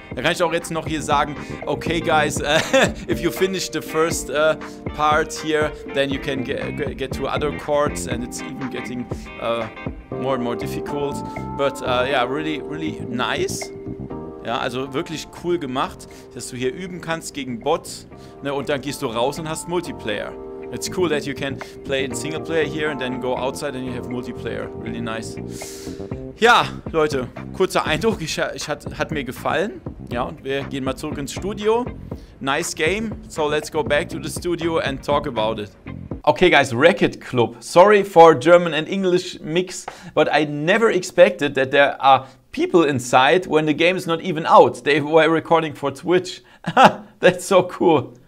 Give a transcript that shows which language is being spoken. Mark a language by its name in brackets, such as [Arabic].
[German] Da kann ich auch jetzt noch hier sagen, [English] okay, guys, if you finish the first part here, then you can get to other courts, and it's even getting more and more difficult. But, yeah, really, really nice. [German] Ja, also wirklich cool gemacht, dass du hier üben kannst gegen Bots, ne? Und dann gehst du raus und hast Multiplayer. [English] It's cool that you can play in Singleplayer here and then go outside and you have Multiplayer. Really nice. [German] Ja, Leute, kurzer Eindruck. Hat mir gefallen. Ja, und wir gehen mal zurück ins Studio. [English] Nice game. So let's go back to the studio and talk about it. Okay, guys, Racket Club. Sorry for German and English mix, but I never expected that there are people inside when the game is not even out. They were recording for Twitch. That's so cool.